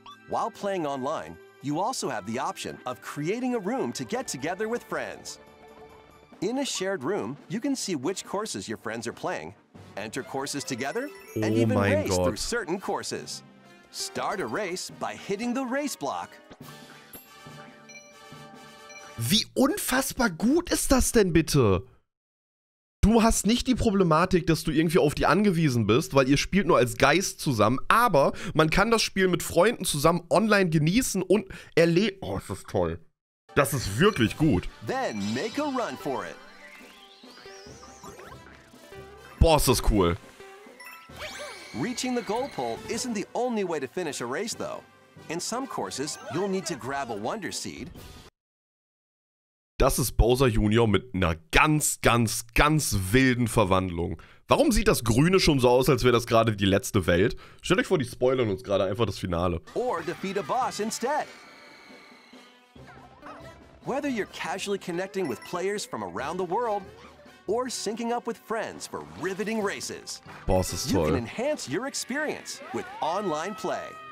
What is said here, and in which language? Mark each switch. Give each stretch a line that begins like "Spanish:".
English: While playing online, you also have the option of creating a room to get together with friends. In a shared room, you can see which courses your friends are playing, enter courses together, and oh even race God. Through certain courses. Start a race by hitting the race block.
German: Wie unfassbar gut ist das denn bitte? Du hast nicht die Problematik, dass du irgendwie auf die angewiesen bist, weil ihr spielt nur als Geist zusammen, aber man kann das Spiel mit Freunden zusammen online genießen und erleben. Oh, ist das toll. Das ist wirklich gut.
English: Then make a run for it.
German: Boah, ist das cool.
English: Reaching the goal pole isn't the only way to finish a race though. In some courses, you'll need to grab a wonder seed.
German: Das ist Bowser Junior mit einer ganz, ganz, ganz wilden Verwandlung. Warum sieht das Grüne schon so aus, als wäre das gerade die letzte Welt? Stellt euch vor, die spoilern uns gerade einfach das Finale.
English: Or defeat a boss instead. Whether you're casually connecting with players from around the world or syncing up with friends for riveting races,
German: boss ist toll.
English: You can enhance your experience with online play.